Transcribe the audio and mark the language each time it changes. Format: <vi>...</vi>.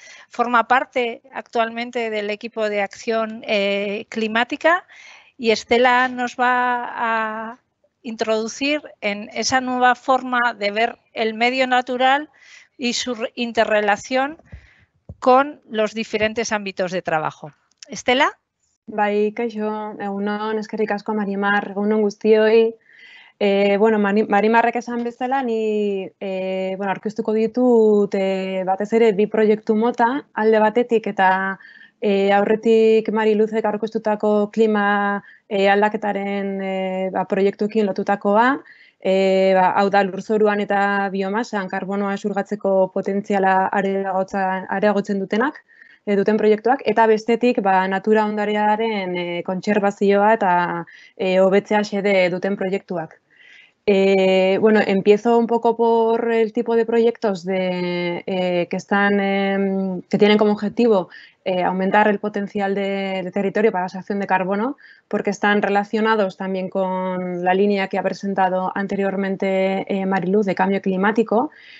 <es>Forma parte actualmente del equipo de acción climática y Estela nos va a introducir en esa nueva forma de ver el medio natural y su interrelación con los diferentes ámbitos de trabajo. Estela.</es> <eu>Bai, kaixo, egunon, eskerrik asko Marimar, egunon guztioi. Bueno, Marimarrek esan bezala, ni bueno, aurkeztuko ditut batez ere bi proiektu mota, alde batetik eta aurretik Mariluzek aurkeztutako klima aldaketaren ba, proiektuekin lotutakoa. Ba, hau da lurzoruan eta biomasan karbonoa esurgatzeko potentziala areagotzen dutenak. Duten proiektuak, eta bestetik ba, natura ondarearen kontserbazioa eta hobetzea xede duten proiektuak.</eu> <es>Bueno, empiezo un poco por el tipo de proyectos que tienen como objetivo aumentar el potencial de territorio para la sacación de carbono, porque están relacionados también con la línea que ha presentado anteriormente Mariluz de cambio climático.</es>